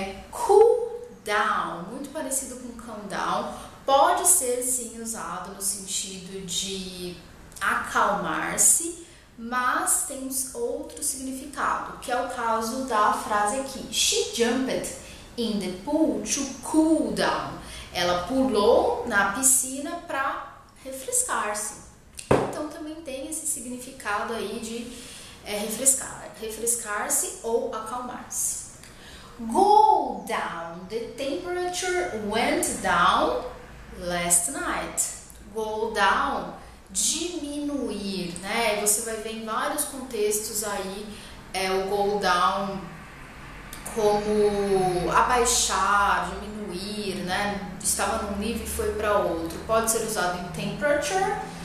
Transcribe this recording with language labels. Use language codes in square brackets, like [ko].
[pt] Cool down, muito parecido com calm down, pode ser sim usado no sentido de acalmar-se, mas tem outro significado, que é o caso da frase aqui. [en] She jumped in the pool to cool down. [pt] Ela pulou na piscina para refrescar-se. Então também tem esse significado aí de refrescar-se ou acalmar-se. [en] Go down. The temperature went down last night. [pt] Go down, diminuir, né? Você vai ver em vários contextos aí o go down como abaixar, diminuir, né? Estava num nível e foi para outro. Pode ser usado em temperature.